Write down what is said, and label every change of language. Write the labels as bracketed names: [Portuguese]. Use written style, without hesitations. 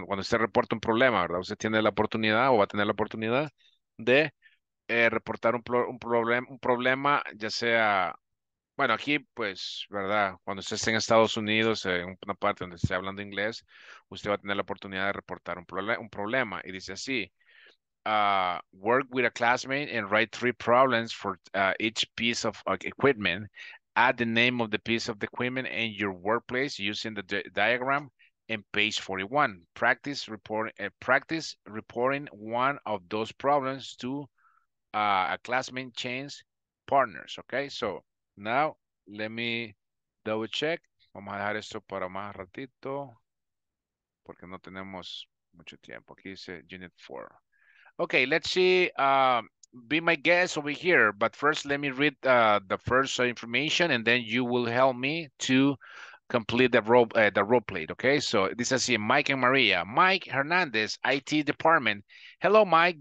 [Spanish] Cuando usted reporta un problema, ¿verdad? Usted tiene la oportunidad o va a tener la oportunidad de reportar un problema, ya sea, bueno, aquí, pues, ¿verdad? Cuando usted esté en Estados Unidos, en una parte donde esté hablando inglés, usted va a tener la oportunidad de reportar un problema. Y dice así, [English] work with a classmate and write 3 problems for each piece of equipment. Add the name of the piece of the equipment in your workplace using the diagram in page 41. Practice reporting one of those problems to a classmate change partners. Okay, so now let me double check. [Spanish] Vamos a dejar esto para más ratito porque no tenemos mucho tiempo. Aquí dice [English] unit 4. Okay, let's see. Be my guest over here, but first let me read the first information, and then you will help me to complete the role play. Okay, so this is Mike and Maria. Mike Hernandez, IT department. Hello, Mike.